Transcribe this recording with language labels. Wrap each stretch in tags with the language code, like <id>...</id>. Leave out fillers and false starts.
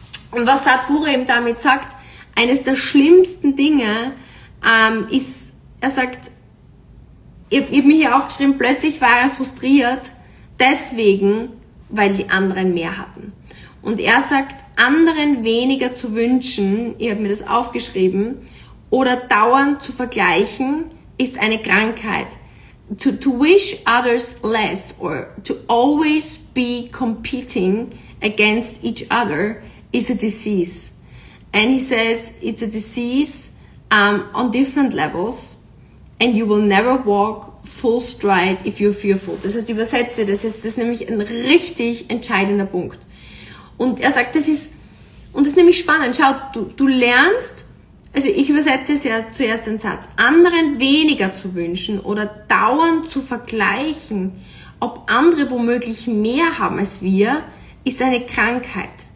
<de>Und was Satguru eben damit sagt, eines der schlimmsten Dinge ist, er sagt, ich hab mir hier aufgeschrieben, plötzlich war er frustriert, deswegen, weil die anderen mehr hatten. Und er sagt, anderen weniger zu wünschen, ich habe mir das aufgeschrieben, oder dauernd zu vergleichen, ist eine Krankheit.</de> <en>To wish others less or to always be competing against each other is a disease. And he says it's a disease on different levels and you will never walk full stride if you're fearful.</en> <de>Das heißt, übersetze das, heißt, das ist nämlich ein richtig entscheidender Punkt. Und er sagt, das ist nämlich spannend. Schau, du lernst. Also ich übersetze es ja zuerst den Satz, anderen weniger zu wünschen oder dauernd zu vergleichen, ob andere womöglich mehr haben als wir, ist eine Krankheit.</de>